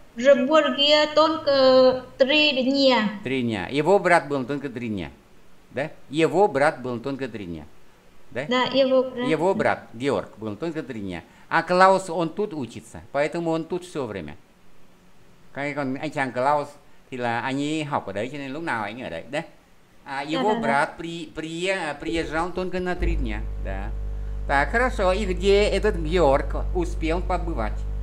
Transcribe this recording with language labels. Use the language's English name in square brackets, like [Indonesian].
[Russian] Петербурге только 3 дня. 3 дня. Его брат был только 3 дня. Да? Его брат был только 3 дня. Да? Да, его брат. Его брат, Георг, был только 3 дня. А Клаус, он тут учится, поэтому он тут все время. [Vietnamese] Còn anh chàng Klaus thì là anh ấy học ở đấy cho nên lúc nào anh ấy ở đấy đấy. [Russian] À, его брат приезжал только на 3 дня. Да. Так, хорошо. И где этот Георг успел побывать?